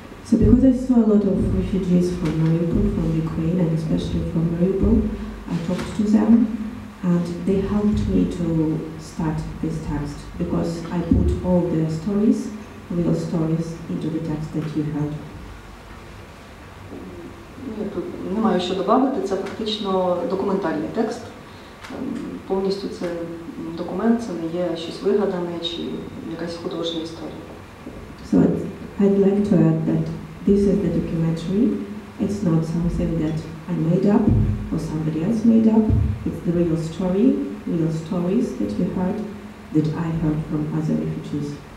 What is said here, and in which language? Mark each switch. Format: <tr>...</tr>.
<en>So because I saw a lot of refugees from Mariupol, from Ukraine, and especially from Mariupol, I talked to them. And they helped me to start this text because I put all the stories, real stories, into the text that you heard.</en> <uk>Я тут не маю що додати, це фактично документальний текст. Повністю це документ, це не є щось вигадане чи якась художня історія.</uk> <en>So I'd like to add that this is the documentary. It's not something that I made up or somebody else made up. It's the real story, real stories that you heard, that I heard from other refugees.</en>